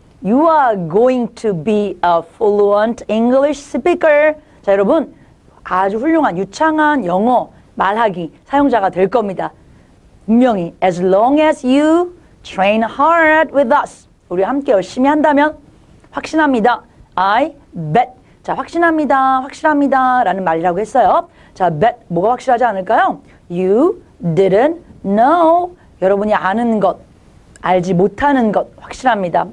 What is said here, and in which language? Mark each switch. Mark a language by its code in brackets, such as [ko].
[en] You are going to be a fluent English speaker. [ko] 자, 여러분, 아주 훌륭한, 유창한 영어 말하기 사용자가 될 겁니다. 분명히 [en] as long as you train hard with us. [ko] 우리 함께 열심히 한다면 확신합니다. [en] I bet. [ko] 자, 확신합니다. 확실합니다. 라는 말이라고 했어요. 자, bet. 뭐가 확실하지 않을까요? [en] You didn't know. [ko] 여러분이 아는 것, 알지 못하는 것 확실합니다.